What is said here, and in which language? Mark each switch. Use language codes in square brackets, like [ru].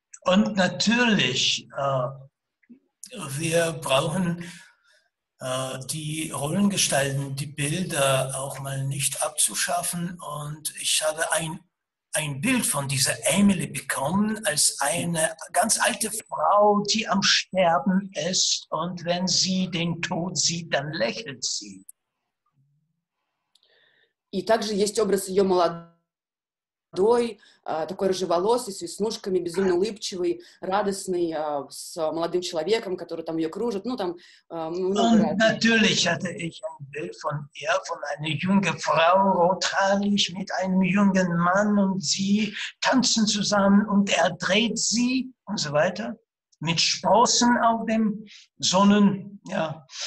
[de] Und natürlich, wir brauchen die Rollengestalten, die Bilder auch mal nicht abzuschaffen. Und ich habe ein Bild von dieser Emily bekommen, als eine ganz alte Frau, die am Sterben ist. Und wenn sie den Tod sieht, dann lächelt sie. [ru] И также есть образ ее молодой, такой рыжеволосый, с веснушками, безумно улыбчивый, радостный, с молодым человеком, который там ее кружит, [de] Und natürlich hatte ich ein Bild von ihr, von einer jungen Frau, rothaarig, mit einem jungen Mann, und sie tanzen zusammen, und er dreht sie, und so weiter, mit Sprossen auf dem Sonnen, ja.